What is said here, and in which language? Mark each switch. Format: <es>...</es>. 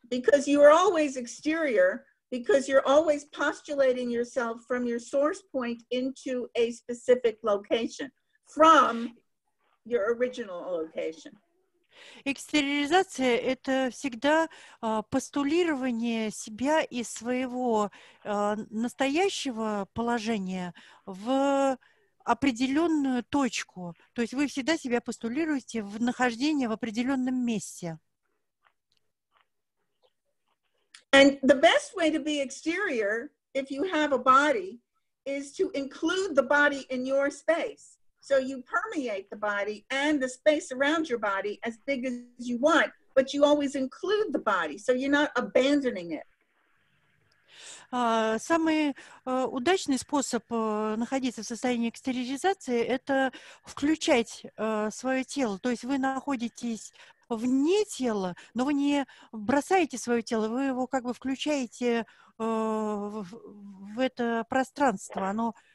<en>Because you are always exterior, because you're always postulating yourself from your source point into a specific location. From... your original location.</en> <ru>Экстериоризация – это всегда постулирование себя и своего настоящего положения в определенную точку. То есть вы всегда себя постулируете в нахождение в определенном месте.</ru> <en>And the best way to be exterior, if you have a body, is to include the body in your space. So you permeate the body and the space around your body as big as you want, but you always include the body, so you're not abandoning it.</en> <ru>Самый удачный способ находиться в состоянии экстериоризации – это включать свое тело. То есть вы находитесь вне тела, но вы не бросаете свое тело, вы его как бы включаете в это пространство, оно...</ru>